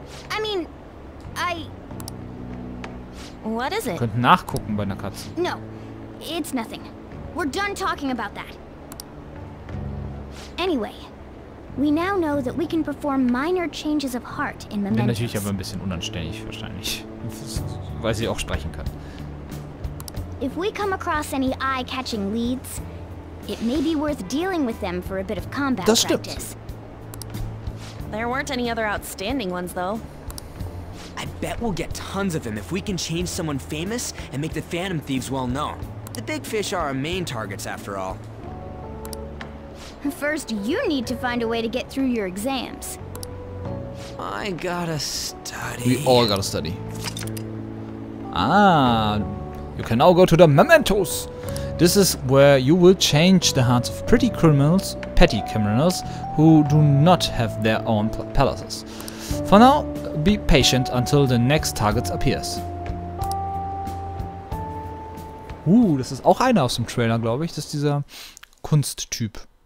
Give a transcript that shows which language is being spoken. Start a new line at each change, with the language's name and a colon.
English: I mean, I... What is it?
German: Könnt nachgucken bei einer Katze.
English: No, it's nothing. We're done talking about that. Anyway, we now know that we can perform minor changes of heart in Mementos.
German: Bin natürlich aber ein bisschen unanständig wahrscheinlich, weil sie auch sprechen kann.
English: If we come across any eye-catching leads, it may be worth dealing with them for a bit of combat practice.
German: Das stimmt.
English: There weren't any other outstanding ones, though. I bet we'll get tons of them if we can change someone famous and make the Phantom Thieves well known. The big fish are our main targets, after all. First, you need to find a way to get through your exams. I gotta study. We all gotta study. Ah. You can now go to the Mementos. This is where you will change the hearts of pretty criminals, petty criminals, who do not have their own palaces. For now, be patient until the next target appears.
German: Das ist auch einer aus dem Trailer, glaube ich. Das ist dieser Kunsttyp.